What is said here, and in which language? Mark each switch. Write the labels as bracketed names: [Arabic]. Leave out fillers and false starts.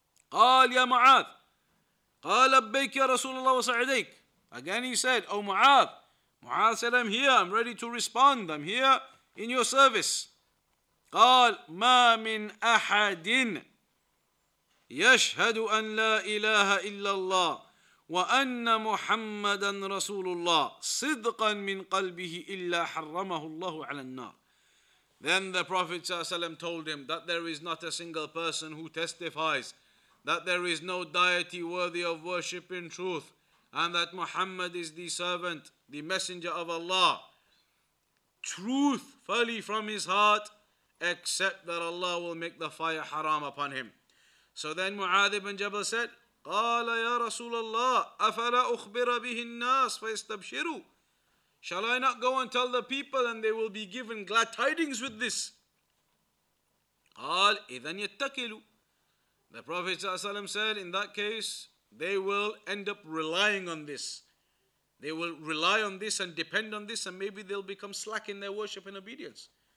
[Arabic] قال يا معاذ, قال لبيك يا رسول الله وصعديك. [English] Again he said, oh معاذ, معاذ said, I'm here, I'm ready to respond, I'm here in your service. [Arabic] قال ما من أحد يشهد أن لا إله إلا الله وَأَنَّ مُحَمَّدًا رَسُولُ اللَّهِ صِدْقًا مِّنْ قَلْبِهِ إِلَّا حَرَّمَهُ اللَّهُ عَلَى النَّارِ. [English] Then the Prophet ﷺ told him that there is not a single person who testifies that there is no deity worthy of worship in truth, and that Muhammad is the servant, the messenger of Allah, truthfully from his heart, except that Allah will make the fire haram upon him. So then Mu'adh ibn Jabal said, [Arabic] قال يا رسول الله أفلا أخبر به الناس فيستبشروا. [English] Shall I not go and tell the people and they will be given glad tidings with this? [Arabic] قال إذن يتكلوا. [English] The Prophet صلى الله عليه وسلم said, in that case, they will end up relying on this. They will rely on this and depend on this, and maybe they'll become slack in their worship and obedience.